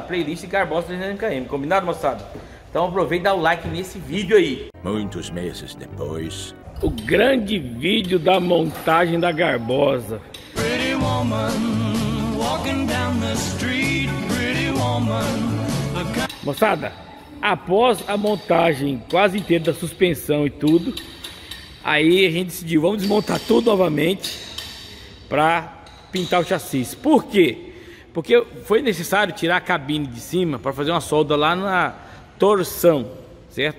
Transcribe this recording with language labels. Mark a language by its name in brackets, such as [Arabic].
[Portuguese] Playlist Garbosa 300 km. Combinado, moçada? Então aproveita e dá o like nesse vídeo aí. Muitos meses depois. O grande vídeo da montagem da Garbosa. [English] Pretty woman, walking down the street, pretty woman. [Portuguese] Moçada, após a montagem quase inteira da suspensão e tudo, aí a gente decidiu, vamos desmontar tudo novamente para pintar o chassi. Por quê? Porque foi necessário tirar a cabine de cima para fazer uma solda lá na torção, certo?